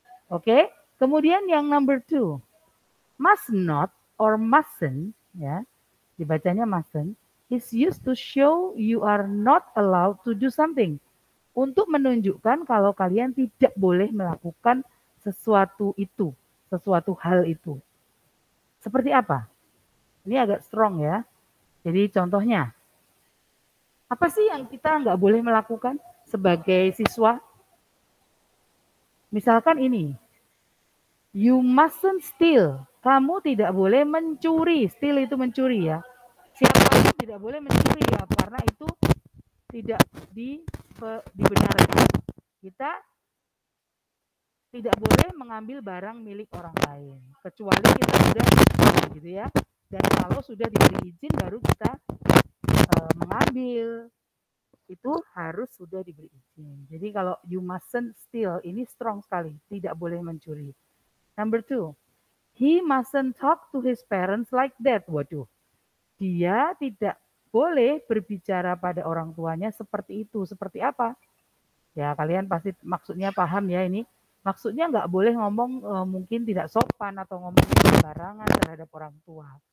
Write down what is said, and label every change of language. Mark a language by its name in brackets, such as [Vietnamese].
[Indonesian] Oke, kemudian yang [English] number two, must not or mustn't, ya, [Indonesian] dibacanya [English] mustn't, is used to show you are not allowed to do something. [Indonesian] Untuk menunjukkan kalau kalian tidak boleh melakukan sesuatu itu, sesuatu hal itu. Seperti apa? Ini agak strong ya. Jadi contohnya, apa sih yang kita nggak boleh melakukan sebagai siswa? Misalkan ini, [English] you mustn't steal. [Indonesian] Kamu tidak boleh mencuri. Steal itu mencuri ya. Siapa pun tidak boleh mencuri ya, karena itu tidak dibenarkan. Kita tidak boleh mengambil barang milik orang lain, kecuali kita sudah gitu ya. Dan kalau sudah diberi izin, baru kita mengambil. Itu harus sudah diberi izin. Jadi kalau [English] you mustn't steal, [Indonesian] ini strong sekali. Tidak boleh mencuri. [English] Number two, he mustn't talk to his parents like that. [Indonesian] Waduh, dia tidak boleh berbicara pada orang tuanya seperti itu. Seperti apa? Ya, kalian pasti maksudnya paham ya ini. Maksudnya nggak boleh ngomong mungkin tidak sopan atau ngomong sembarangan terhadap orang tua.